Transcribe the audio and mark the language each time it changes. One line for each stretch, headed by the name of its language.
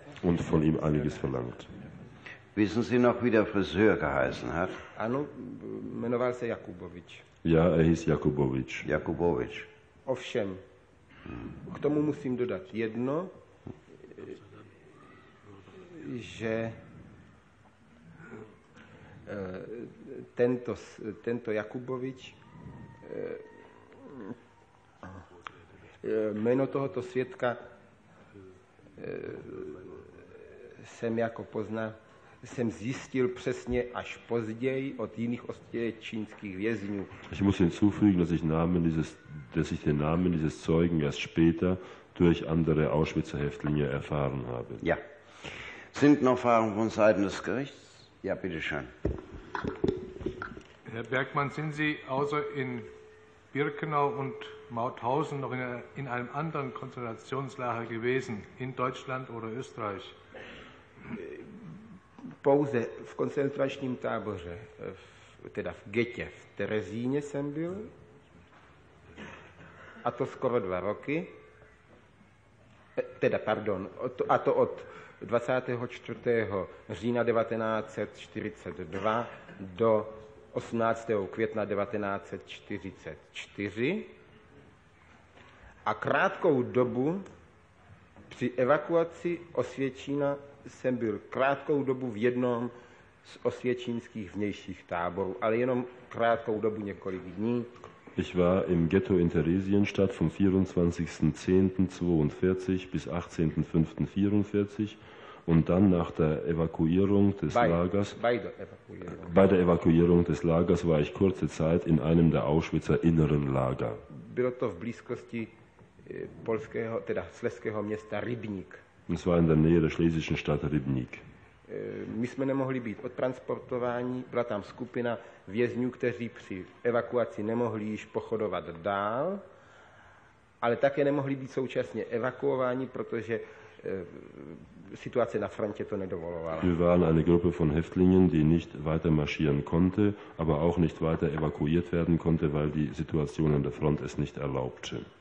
German: Und von ihm einiges verlangt. Wissen Sie noch, wie der Friseur geheißen hat?
Czech: Ano, jmenoval se Jakubovič.
German: Ja, er hieß Jakubovic. Jakubovic.
Czech: Ovšem, k tomu musím dodat jedno, že tento Jakubovič, jméno tohoto svědka jsem jako poznal, jsem zjistil přesně až později od jiných osvětčínských vězňů.
German: Ich muss hinzufügen, dass ich den Namen dieses Zeugen erst später durch andere Auschwitzer Häftlinge erfahren habe. Ja. Sind noch Fragen von Seiten des Gerichts? Ja, bitteschön. Herr Bergmann, sind Sie außer in Birkenau und Mauthausen noch in einem anderen Konzentrationslager gewesen, in Deutschland oder Österreich?
Czech: Pouze v koncentračním táboře, teda v getě, v Terezíně jsem byl, a to skoro 2 roky, teda pardon, a to od 24. října 1942 do 18. května 1944. A krátkou dobu při evakuaci Osvětšína jsem byl krátkou dobu v jednom z osvětšínských vnějších táborů, ale jenom krátkou dobu několik dní.
German: Ich war im Ghetto in Theresienstadt vom 24.10.42 bis 18.05.44 und dann nach der Evakuierung des Lagers. Bei der Evakuierung des Lagers war ich kurze Zeit in einem der Auschwitzer inneren Lager.
Czech: Bylo to v blízkosti polského, teda slezského města Rybník.
German: Es war in der Nähe der schlesischen Stadt Rybník.
Czech: My jsme nemohli být odtransportováni, byla tam skupina vězňů, kteří při evakuaci nemohli již pochodovat dál, ale také nemohli být současně evakuováni, protože situace na frontě to nedovolovala.
German: Wir waren eine Gruppe von Häftlingen, die nicht weiter marschieren konnte, aber auch nicht weiter evakuiert werden konnte, weil die Situation an der Front es nicht erlaubte.